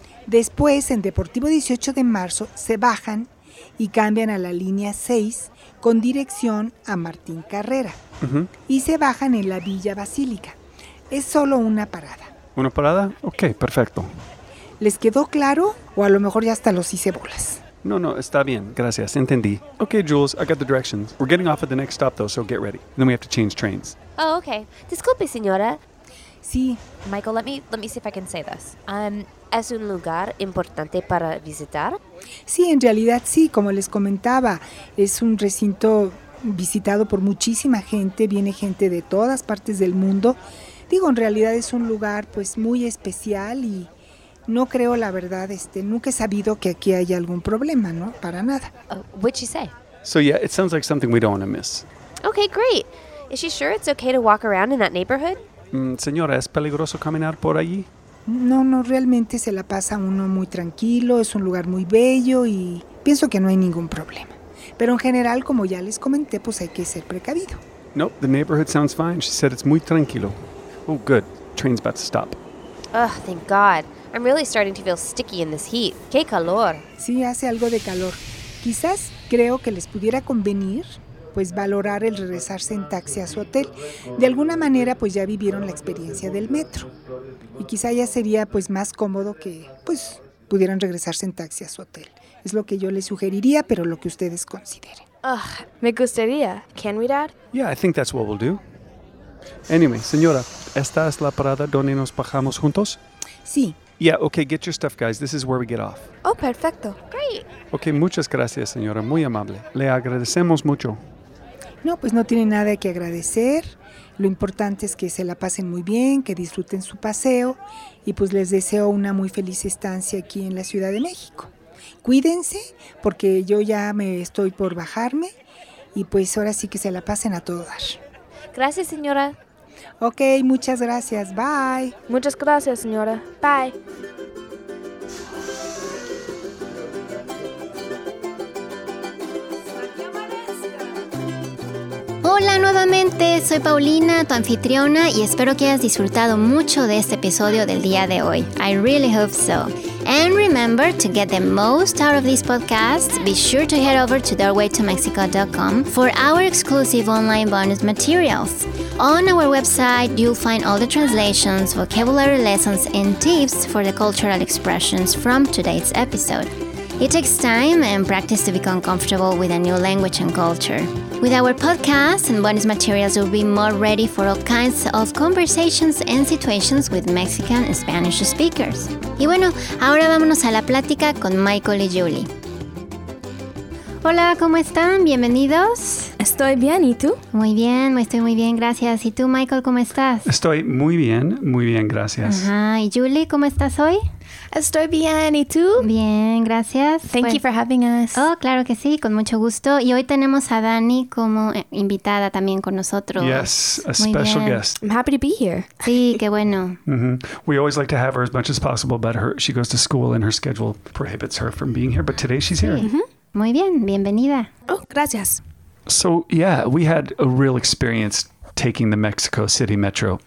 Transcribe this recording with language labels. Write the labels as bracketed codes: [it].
[es] Después, en Deportivo 18 de Marzo, se bajan y cambian a la línea 6 con dirección a Martín Carrera. Y se bajan en la Villa Basílica. Es solo una parada. ¿Una parada? Ok, perfecto. ¿Les quedó claro? O a lo mejor ya hasta los hice bolas. No, no, está bien. Gracias, entendí. [en] Ok, Jules, I got the directions. We're getting off at the next stop, though, so get ready. Then we have to change trains. [es] Oh, ok. Disculpe, señora. Sí. [en] Michael, let me see if I can say this. [es] ¿Es un lugar importante para visitar? Sí, en realidad sí. Como les comentaba, es un recinto visitado por muchísima gente. Viene gente de todas partes del mundo. Digo, en realidad es un lugar pues muy especial y no creo, la verdad, nunca he sabido que aquí hay algún problema, ¿no? Para nada. [en] What'd she say? So yeah, it sounds like something we don't want to miss. Okay, great. Is she sure it's okay to walk around in that neighborhood? [es] Señora, ¿es peligroso caminar por allí? No, no, realmente se la pasa uno muy tranquilo, es un lugar muy bello y pienso que no hay ningún problema. Pero en general, como ya les comenté, pues hay que ser precavido. [en] Nope, the neighborhood sounds fine. She said it's [es] muy tranquilo. [en] Oh, good. Train's about to stop. Oh, thank God. I'm really starting to feel sticky in this heat. [es] ¡Qué calor! Sí, hace algo de calor. Quizás creo que les pudiera convenir, pues, valorar el regresarse en taxi a su hotel. De alguna manera, pues, ya vivieron la experiencia del metro. Y quizá ya sería, pues, más cómodo que, pues, pudieran regresarse en taxi a su hotel. Es lo que yo les sugeriría, pero lo que ustedes consideren. [en] Ugh, [es] me gustaría. [en] ¿Can we, Dad? Yeah, I think that's what we'll do. Anyway, [es] señora, ¿esta es la parada donde nos bajamos juntos? Sí. [en] Yeah, okay, get your stuff, guys. This is where we get off. Oh, perfecto. Great. [es] Okay, muchas gracias, señora. Muy amable. Le agradecemos mucho. No, pues no tiene nada que agradecer. Lo importante es que se la pasen muy bien, que disfruten su paseo. Y pues les deseo una muy feliz estancia aquí en la Ciudad de México. Cuídense, porque yo ya me estoy por bajarme. Y pues ahora sí que se la pasen a todo dar. Gracias, señora. Ok, muchas gracias. Bye. Muchas gracias, señora. Bye. Hola nuevamente, soy Paulina, tu anfitriona, y espero que hayas disfrutado mucho de este episodio del día de hoy. [en] I really hope so. And remember, to get the most out of this podcast, be sure to head over to doorwaytomexico.com for our exclusive online bonus materials. On our website, you'll find all the translations, vocabulary lessons, and tips for the cultural expressions from today's episode. It takes time and practice to become comfortable with a new language and culture. With our podcast and bonus materials, you'll be more ready for all kinds of conversations and situations with Mexican and Spanish speakers. [es] Y bueno, ahora vámonos a la plática con Michael y Julie. Hola, ¿cómo están? Bienvenidos. Estoy bien, ¿y tú? Muy bien, estoy muy bien, gracias. ¿Y tú, Michael, cómo estás? Estoy muy bien, gracias. Ajá, ¿y Julie, cómo estás hoy? Estoy bien, ¿y tú? Bien, gracias. [en] Thank you for having us. [es] Oh, claro que sí, con mucho gusto. Y hoy tenemos a Dani como invitada también con nosotros. [en] Yes, a special guest. I'm happy to be here. [es] Sí, qué bueno. [en] We always like to have her as much as possible, but she goes to school and her schedule prohibits her from being here, but today she's here. [es] Muy bien, bienvenida. Oh, gracias. [en] So, yeah, we had a real experience taking the Mexico City Metro.